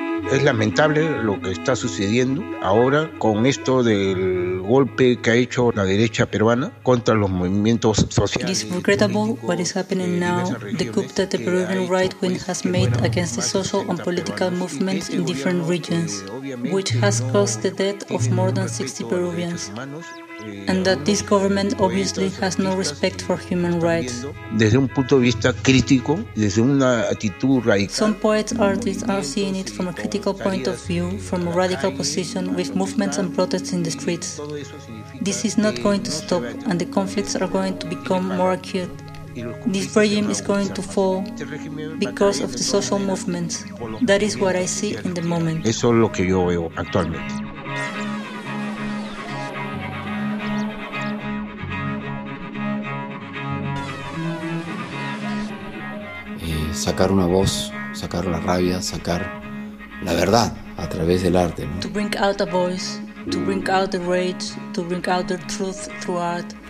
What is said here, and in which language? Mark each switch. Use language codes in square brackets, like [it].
[es] Es lamentable lo que está sucediendo ahora con esto del golpe que ha hecho la derecha peruana contra los movimientos sociales. [en] It is regrettable what is happening now, the coup that the Peruvian right wing has made against the social and political movements in different regions, which has caused the death of more than 60 Peruvians. and that this government obviously has no respect for human rights. [es] Desde un punto de vista crítico, desde una actitud radical. [en] Some poets, artists are seeing it from a critical point of view, from a radical position, with movements and protests in the streets. This is not going to stop, and the conflicts are going to become more acute. This regime is going to fall because of the social movements. That is what I see in the moment. [es] Eso es lo que yo veo actualmente. Sacar una voz, sacar la rabia, sacar la verdad a través del arte, ¿no? [en] To bring out a voice, to bring out the rage, to bring out the truth through art.